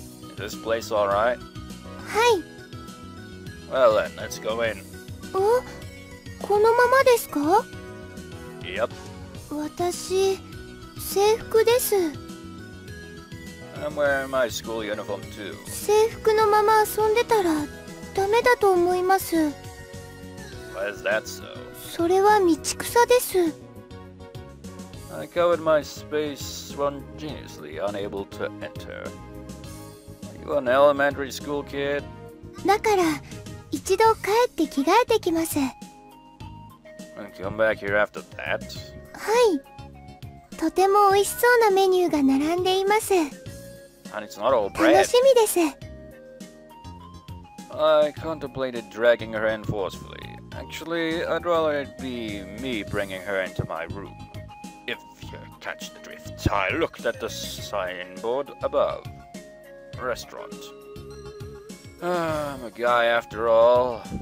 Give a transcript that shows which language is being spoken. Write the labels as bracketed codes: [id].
[en] Is this place all right? Hi. Well then, let's go in. [ja] Oh? このままですか? [en] Yep. [ja] 私、制服です。 [en] I'm wearing my school uniform too. [ja] 制服のまま遊んでたらダメだと思います。 [en] Why is that so? [ja] それは道草です。 [en] I covered my space spontaneously, unable to enter. Are you an elementary school kid? [ja] だから、一度帰って着替えてきます。 [en] And come back here after that? [ja] はい。とても美味しそうなメニューが並んでいます。 [en] And it's not all bread. [ja] 楽しみです。 [en] I contemplated dragging her in forcefully. Actually, I'd rather it be me bringing her into my room. If you catch the drift, I looked at the signboard above. Restaurant. I'm a guy after all.